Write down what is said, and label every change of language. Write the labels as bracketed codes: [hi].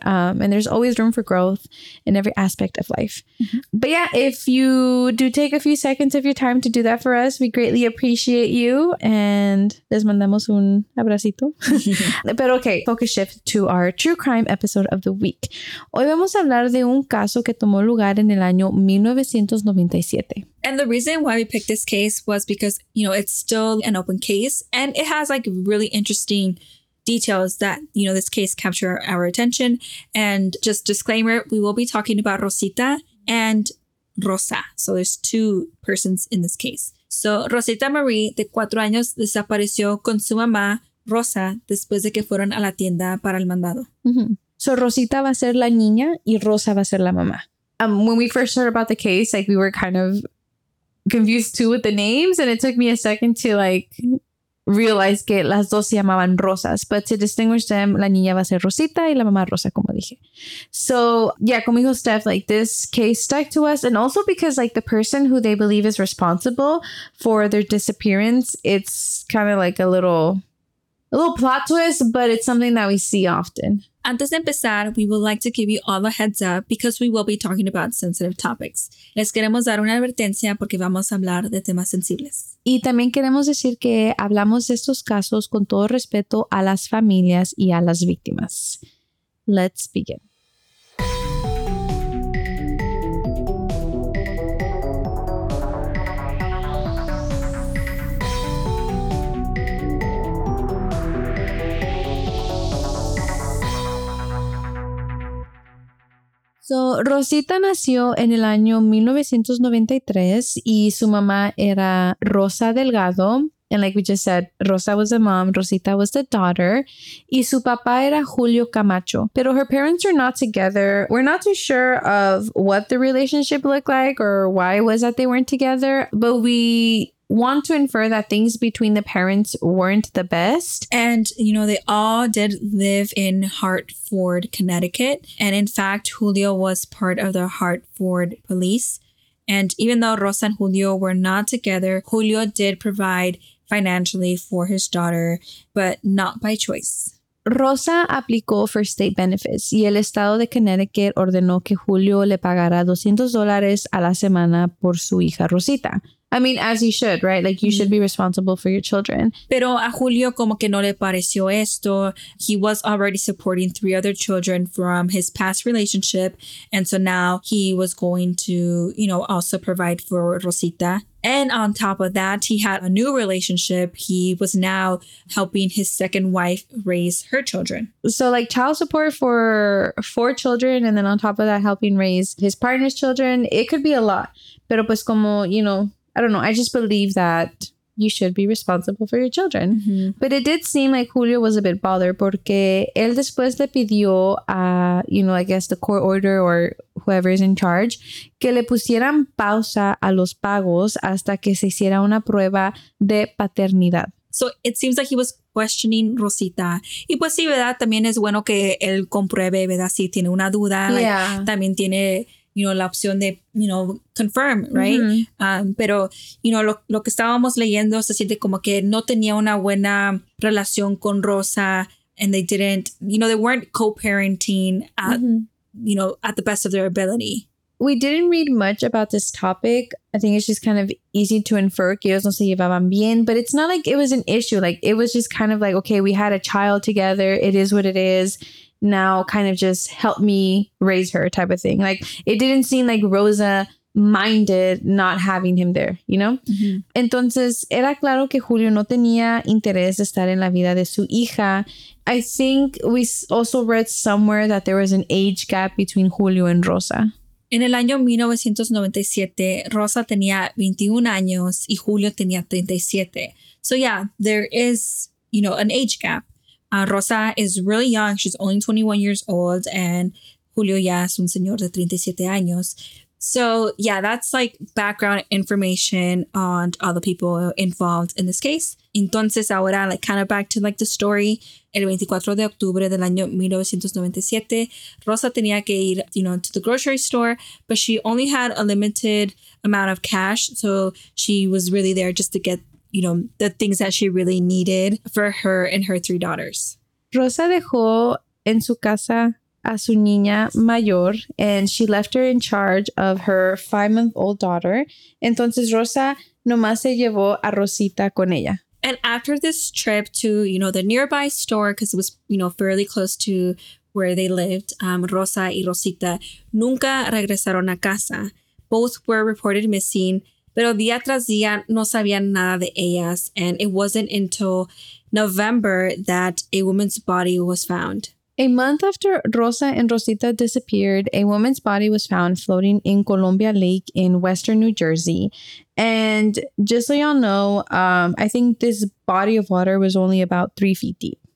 [en] And there's always room for growth in every aspect of life. Mm-hmm. But, yeah, if you do take a few seconds of your time to do that for us, we greatly appreciate you. And [es] les mandamos un abracito. Pero, [en] okay, focus shift to our true crime episode of the week. [es] Hoy vamos a hablar de un caso que tomó lugar en el año 1997. [en] And the reason why we picked this case was because, you know, it's still an open case and it has like really interesting details that, you know, this case capture our attention. And just disclaimer, we will be talking about Rosita and Rosa. So there's two persons in this case. [es] So Rosita Marie, de 4 años, desapareció con su mamá, Rosa, después de que fueron a la tienda para el mandado. Mm-hmm. So Rosita va a ser la niña y Rosa va a ser la mamá. [en] When we first heard about the case, like, we were kind of confused too with the names, and it took me a second to like realize [es] que las dos se llamaban Rosas. [en] But to distinguish them, [es] la niña va a ser Rosita y la mamá Rosa, como dije. [en] So yeah, [es] como dijo Steph, [en] like, this case stuck to us, and also because like the person who they believe is responsible for their disappearance, it's kind of like a little plot twist, but it's something that we see often. [es] Antes de empezar, [en] we would like to give you all a heads up because we will be talking about sensitive topics. [es] Les queremos dar una advertencia porque vamos a hablar de temas sensibles. Y también queremos decir que hablamos de estos casos con todo respeto a las familias y a las víctimas. [en] Let's begin. [es] So, Rosita nació en el año 1993 y su mamá era Rosa Delgado. [en] And like we just said, Rosa was the mom, Rosita was the daughter, [es] y su papá era Julio Camacho. [en] Pero her parents are not together. We're not too sure of what the relationship looked like or why it was that they weren't together, but we want to infer that things between the parents weren't the best. And, you know, they all did live in Hartford, Connecticut. And in fact, Julio was part of the Hartford police. And even though Rosa and Julio were not together, Julio did provide financially for his daughter, but not by choice. [es] Rosa aplicó [en] for state benefits [es] y el estado de Connecticut ordenó que Julio le pagara $200 a la semana por su hija Rosita. [en] I mean, as you should, right? Like, you should be responsible for your children. [es] Pero a Julio como que no le pareció esto. [en] He was already supporting 3 other children from his past relationship. And so now he was going to, you know, also provide for Rosita. And on top of that, he had a new relationship. He was now helping his second wife raise her children. So like child support for 4 children and then on top of that, helping raise his partner's children. It could be a lot. [es] Pero pues como, [en] you know, I don't know. I just believe that you should be responsible for your children. Mm-hmm. But it did seem like Julio was a bit bothered [es] porque él después le pidió a, [en] you know, I guess the court order or whoever is in charge, [es] que le pusieran pausa a los pagos hasta que se hiciera una prueba de paternidad. [en] So it seems like he was questioning Rosita. [es] Y pues sí, ¿verdad? También es bueno que él compruebe, ¿verdad? Si tiene una duda. [en] Yeah. Like, [es] también tiene, you know, la opción de, you know, [en] confirm, right? [es] Mm-hmm. Pero, you know, lo que estábamos leyendo se siente como que no tenía una buena relación con Rosa [en] and they didn't, you know, they weren't co-parenting at, mm-hmm. you know, at the best of their ability. We didn't read much about this topic. I think it's just kind of easy to infer [es] que ellos no se llevaban bien, [en] but it's not like it was an issue. Like, it was just kind of like, okay, we had a child together. It is what it is. Now kind of just help me raise her type of thing. Like, it didn't seem like Rosa minded not having him there, you know? Mm-hmm. [es] Entonces, era claro que Julio no tenía interés de estar en la vida de su hija. [en] I think we also read somewhere that there was an age gap between Julio and Rosa. [es] En el año 1997, Rosa tenía 21 años y Julio tenía 37. [en] So yeah, there is, you know, an age gap. Rosa is really young. She's only 21 years old. [es] And Julio ya es un señor de 37 años. [en] So yeah, that's like background information on all the people involved in this case. [es] Entonces ahora, [en] like, kind of back to like the story. [es] El 24 de octubre del año 1997, Rosa tenía que ir, [en] you know, to the grocery store, but she only had a limited amount of cash. So she was really there just to get, you know, the things that she really needed for her and her three daughters. [es] Rosa dejó en su casa a su niña mayor, [en] and she left her in charge of her five-month-old daughter. [es] Entonces Rosa nomás se llevó a Rosita con ella. [en] And after this trip to, you know, the nearby store, because it was, you know, fairly close to where they lived, [es] Rosa y Rosita nunca regresaron a casa. [en] Both were reported missing, [es] pero día tras día no sabían nada de ellas. [en] And it wasn't until November that a woman's body was found. A month after Rosa and Rosita disappeared, a woman's body was found floating in Columbia Lake in western New Jersey. And just so y'all know, I think this body of water was only about 3 feet deep.